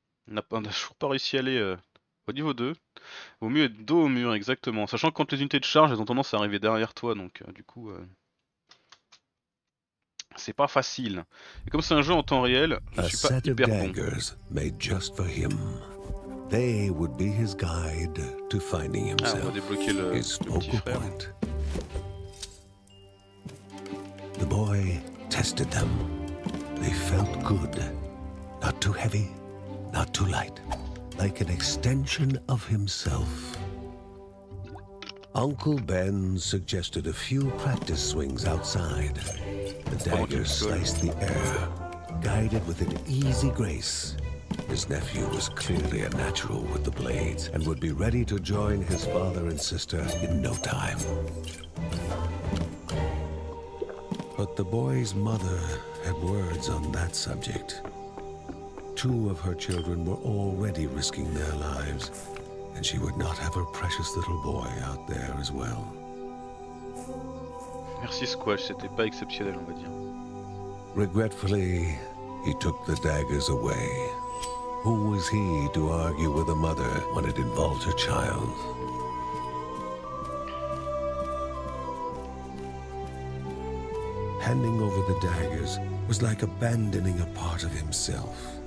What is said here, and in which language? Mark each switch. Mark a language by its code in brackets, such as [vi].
[fr] On a toujours pas réussi à aller au niveau 2. Vaut mieux être dos au mur, exactement. Sachant que quand les unités de charge, elles ont tendance à arriver derrière toi, donc du coup... c'est pas facile. Et comme c'est un jeu en temps réel, je suis pas hyper bon. [en] Made just for him. They would be his guide to finding himself. [fr] Ah, on va débloquer le petit frère. Point. [en] The boy tested them. They felt good. Not too heavy, not too light. Like an extension of himself. Uncle Ben suggested a few practice swings outside. The dagger sliced the air, guided with an easy grace. His nephew was clearly a natural with the blades and would be ready to join his father and sister in no time. But the boy's mother had words on that subject. Two of her children were already risking their lives, and she would not have her precious little boy out there as well. [fr] Merci Squash, c'était pas exceptionnel, on va dire. [en] Regretfully, he took the daggers away. Who was he to argue with a mother when it involved her child? Handing over the daggers was like abandoning a part of himself.